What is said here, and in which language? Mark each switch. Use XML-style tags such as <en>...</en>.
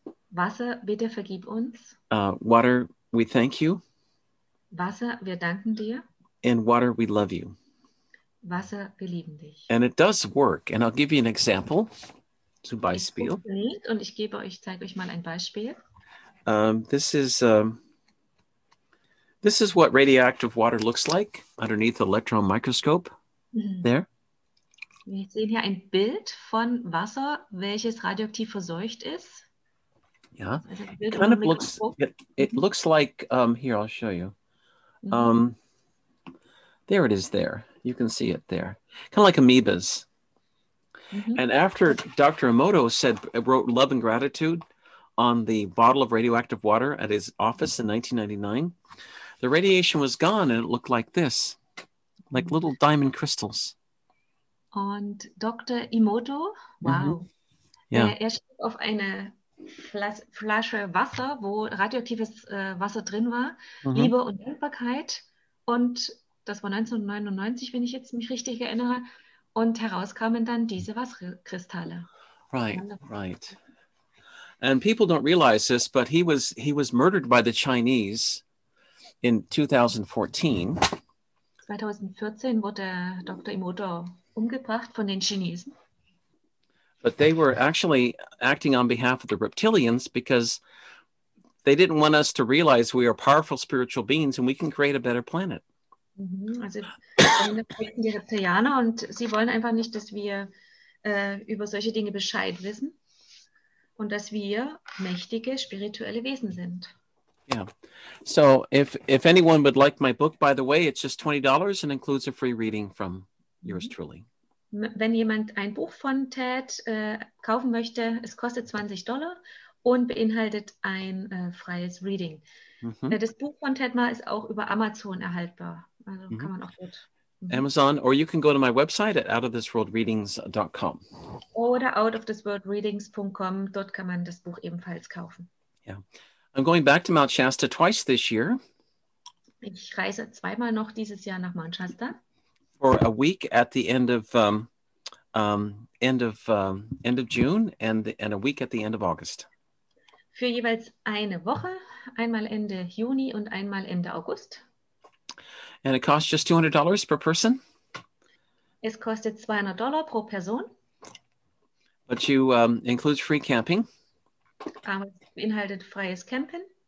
<de>Wasser, bitte vergib uns.</de> <en>Water, we thank you.</en> <de>Wasser, wir danken dir.</de> <en>And water, we love you.</en> <de>Wasser, wir lieben dich.</de> <en>And it does work. And I'll give you an example.</en> <de>Zum Beispiel. Es funktioniert und ich gebe euch, zeige euch mal ein Beispiel.</de> <en>This is what radioactive water looks like underneath the electron microscope. There.</en> <de>Wir sehen hier ein Bild von Wasser, welches radioaktiv verseucht ist.</de> <en>Yeah. Also kind of looks. It looks like. Here, I'll show you. There it is. There, you can see it there. Kind of like amoebas. And after Dr. Emoto wrote Love and Gratitude on the bottle of radioactive water at his office in 1999, the radiation was gone and it looked like this, like little diamond crystals.</en> <de>Und Dr. Emoto, er schrieb auf eine Flasche Wasser, wo radioaktives Wasser drin war, Liebe und Dankbarkeit. Und das war 1999, wenn ich jetzt mich richtig erinnere. Und herauskamen dann diese Wasserkristalle.</de> <en>Right. And people don't realize this, but he was murdered by the Chinese in 2014.</en> <de>2014 wurde Dr. Emoto umgebracht von den Chinesen.</de> <en>But they were actually acting on behalf of the reptilians because they didn't want us to realize we are powerful spiritual beings and we can create a better planet.</en> <de>Also die Reptilianer und sie wollen einfach nicht, dass wir über solche Dinge Bescheid wissen und dass wir mächtige spirituelle Wesen sind.</de> <en>Yeah. So if anyone would like my book, by the way, it's just $20 and includes a free reading from yours truly.</en> <de>Wenn jemand ein Buch von Ted kaufen möchte, es kostet $20 und beinhaltet ein freies Reading. Mm-hmm. Das Buch von Ted Ma ist auch über Amazon erhaltbar. Also kann man auch dort.</de> <en>Amazon, or you can go to my website at outofthisworldreadings.com.</en> <de>Oder outofthisworldreadings.com, dort kann man das Buch ebenfalls kaufen.</de> <en>Yeah. I'm going back to Mount Shasta twice this year.</en> <de>Ich reise zweimal noch dieses Jahr nach Mount Shasta.</de> <en>For a week at the end of June and a week at the end of August.</en> <de>Für jeweils eine Woche, einmal Ende Juni und einmal Ende August.</de> <en>And it costs just $200 per person.</en> <de>Es kostet $200 pro Person.</de> <en>But you include free camping.</en> <de>Aber es beinhaltet freies Campen.</de>